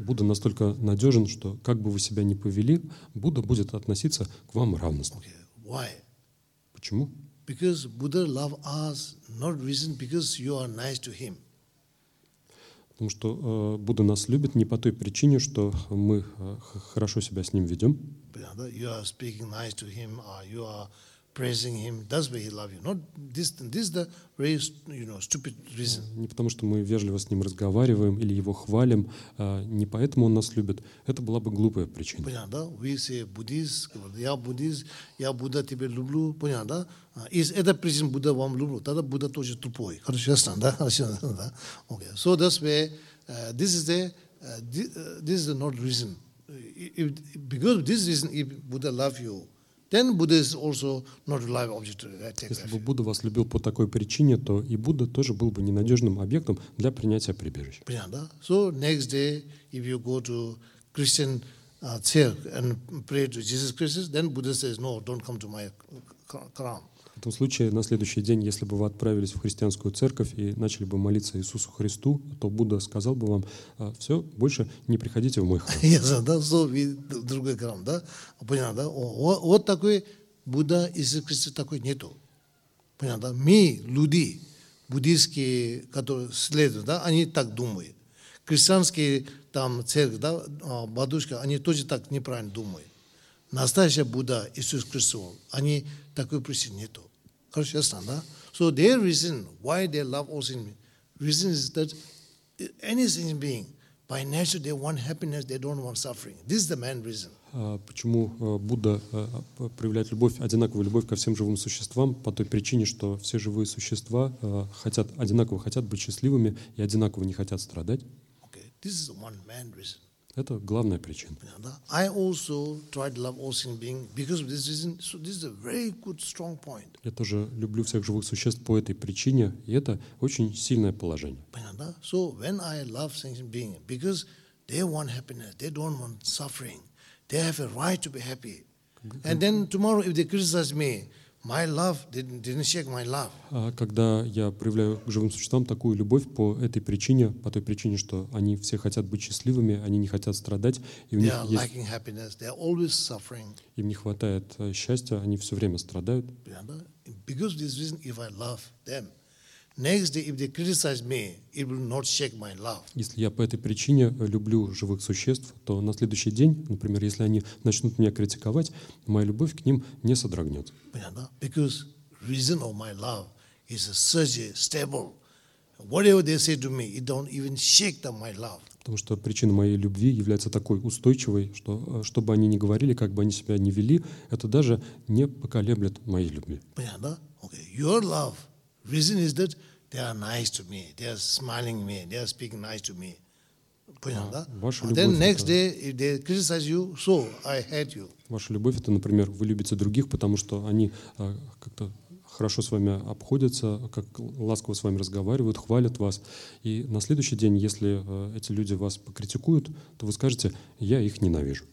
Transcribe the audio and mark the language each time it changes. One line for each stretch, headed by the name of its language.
Russian: Будда настолько надежен, что как бы вы себя ни повели, Будда будет относиться к вам равностно.
English: Okay, why?
Russian: Почему?
English: Because Buddha love us not reason because you are nice to him.
Russian: Потому что Будда нас любит не по той причине, что мы хорошо себя с ним ведем.
English: You are speaking nice to him, or you are praising him. That's why he loves you. Not this. This is the very, you know, stupid reason.
Russian: Не потому что мы вежливо с ним разговариваем или его хвалим, не поэтому он нас любит. Это была бы глупая причина. Понятно, да? Вы все буддист, я буддист, я Будда тебе люблю. Понятно, да? Из это причин Будда вам люблю. Тогда Будда тоже тупой. Хорошо, ясно, да? Хорошо, да? Okay.
English: So that's why this is not reason. Because this reason, if Buddha love you, then Buddha is also not reliable object.
Russian: Если бы Будда вас любил по такой причине, то и Будда тоже был бы ненадежным объектом для принятия прибежища. Понятно, да?
English: So next day, if you go to Christian church and pray to Jesus Christ, then Buddha says, no, don't come to my crown.
Russian: В этом случае на следующий день, если бы вы отправились в христианскую церковь и начали бы молиться Иисусу Христу, то Будда сказал бы вам, все, больше не приходите в мой храм. Ясно, да? So в другой храм, да? Понятно, да? Вот такой Будда Иисус Христ такой нету. Понятно, да? Мы, люди, буддийские, которые следуют, да, они так думают. Христианские там церкви, да, бабушки, они тоже так неправильно думают. Настоящий Будда Иисус Христ, они такой причины нету. Хорошо, ясно, да?
English: So their reason why they love all sentient beings, reason is that any sentient being, by nature, they want happiness, they don't want suffering. This is the main reason.
Russian: Почему Будда проявляет любовь, одинаковую любовь ко всем живым существам? По той причине, что все живые существа хотят, одинаково хотят быть счастливыми и одинаково не хотят страдать.
English: Okay, this is the one main reason.
Russian: Это главная причина.
English: Yeah, да? I also try to love all sentient beings because of this reason. So this is a very good strong point.
Russian: Я тоже люблю всех живых существ по этой причине, и это очень сильное положение. Понятно, да?
English: So when I love sentient beings because they want happiness, they don't want suffering, they have a right to be happy. And then tomorrow, if they criticize me, my love didn't shake my love.
Russian: Когда я проявляю к живым существам такую любовь по этой причине, по той причине, что они все хотят быть счастливыми, они не хотят страдать, и у них есть...
English: lacking happiness, they are always suffering.
Russian: Им не хватает счастья, они все время страдают.
English: Because of this reason, if I love them, next day, if they criticize me, it will not shake my love.
Russian: Если я по этой причине люблю живых существ, то на следующий день, например, если они начнут меня критиковать, моя любовь к ним не содрогнется. Понятно?
English: Because reason of my love is such a stable. Whatever they say to me, it don't even shake them my love.
Russian: Потому что причина моей любви является такой устойчивой, что чтобы они ни говорили, как бы они себя ни вели, это даже не поколеблет моей любви. Понятно?
English: Okay. Your love. Reason is that they are nice to me. They are smiling me. They are speaking nice to me.
Russian: Понятно, да?
English: Then next day, if they criticize you, so I hate you.
Russian: Ваша любовь – это, например, вы любите других, потому что они как-то хорошо с вами обходятся, как ласково с вами разговаривают, хвалят вас. И на следующий день, если эти люди вас покритикуют, то вы скажете, я их ненавижу.